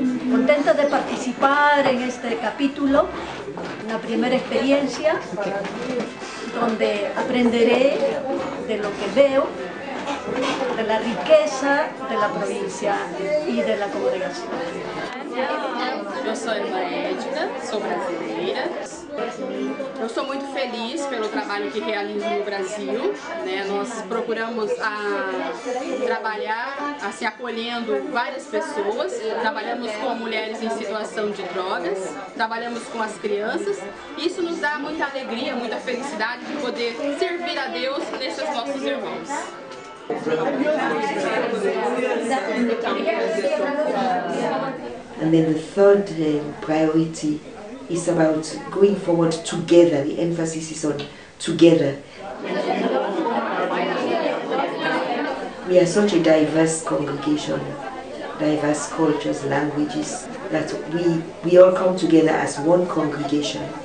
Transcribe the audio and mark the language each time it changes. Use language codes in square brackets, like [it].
[es] Contenta de participar en este capítulo, la primera experiencia, donde aprenderé de lo que veo, de la riqueza de la provincia y de la congregación. [pt] Eu sou irmã Edna, sou brasileira. Eu sou muito feliz pelo trabalho que realizo no Brasil. Né? Nós procuramos trabalhar assim, acolhendo várias pessoas. Trabalhamos com mulheres em situação de drogas, trabalhamos com as crianças. Isso nos dá muita alegria, muita felicidade de poder servir a Deus nesses nossos irmãos. [en] And then the third priority is about going forward together. The emphasis is on together. We are such a diverse congregation, diverse cultures, languages, that we all come together as one congregation.